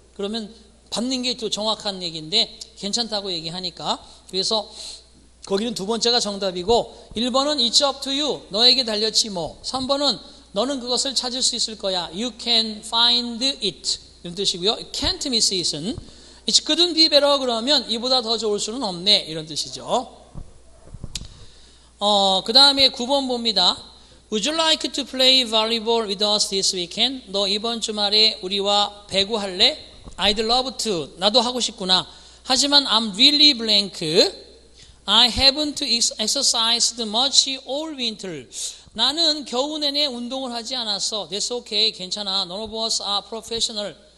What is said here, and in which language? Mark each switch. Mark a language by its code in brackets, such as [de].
[ko] 그러면 받는 게 또 정확한 얘기인데 괜찮다고 얘기하니까 그래서 거기는 두 번째가 정답이고 1번은 [en] It's up to you. [ko] 너에게 달렸지 뭐. 3번은 너는 그것을 찾을 수 있을 거야. [en] You can find it. [ko] 이런 뜻이고요. [en] Can't miss it은 It couldn't be better. [ko] 그러면 이보다 더 좋을 수는 없네. 이런 뜻이죠. 그 다음에 9번 봅니다. [en] Would you like to play volleyball with us this weekend? [ko] 너 이번 주말에 우리와 배구할래? [en] I'd love to. [ko] 나도 하고 싶구나. 하지만 [en] I'm really blank. I haven't exercised much all winter. [ko] 나는 겨우 내내 운동을 하지 않았어. [en] That's okay. [ko] 괜찮아. [en] None of us are professional.